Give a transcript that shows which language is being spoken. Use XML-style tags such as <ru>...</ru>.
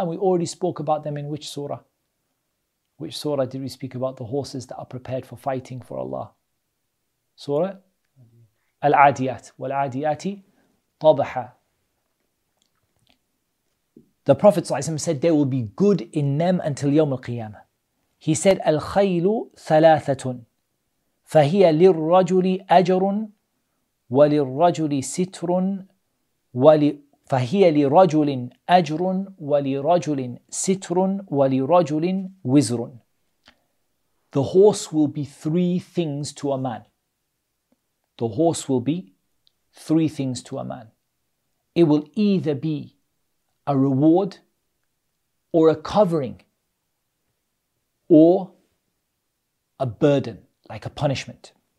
<en>And we already spoke about them in which surah? Which surah did we speak about the horses that are prepared for fighting for Allah? Surah? Al-Adiyat.</en> <ar>Wal-Adiyati Tabaha.</ar> <en>The Prophet ﷺ said there will be good in them until yawm al-qiyamah. He said,</en> <ar>Al-khaylu thalathatun. فهي للرجل أجر وللرجل ستر فهي لرجل أجر ولرجل ستر ولرجل وزر.</ar> <en>The horse will be three things to a man. The horse will be three things to a man. It will either be a reward or a covering or a burden, like a punishment.</en>